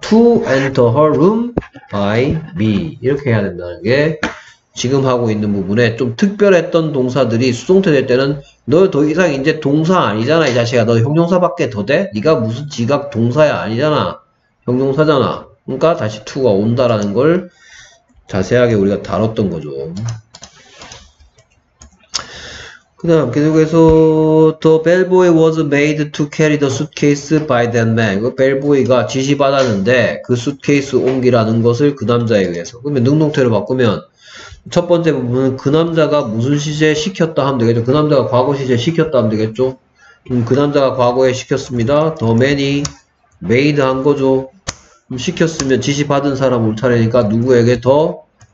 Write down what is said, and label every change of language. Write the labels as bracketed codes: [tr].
[en] To enter her room by me [ko] 이렇게 해야 된다는 게 지금 하고 있는 부분에 좀 특별했던 동사들이 수동태 될 때는 너더 이상 이제 동사 아니잖아 이 자식아. 너 형용사밖에 더 돼? 네가 무슨 지각 동사야 아니잖아. 형용사잖아. 그러니까 다시 to가 온다라는 걸 자세하게 우리가 다뤘던 거죠. 그다음 계속해서 [en] The bellboy was made to carry the suitcase by that man. [ko] 그 bellboy가 지시받았는데 그 수트케이스 옮기라는 것을 그 남자에 의해서. 그러면 능동태로 바꾸면 첫 번째 부분은 그 남자가 무슨 시제에 시켰다 하면 되겠죠. 그 남자가 과거 시제에 시켰다 하면 되겠죠. 그 남자가 과거에 시켰습니다. The man이 made 한 거죠. 시켰으면 지시받은 사람 올 차례니까 누구에게 더?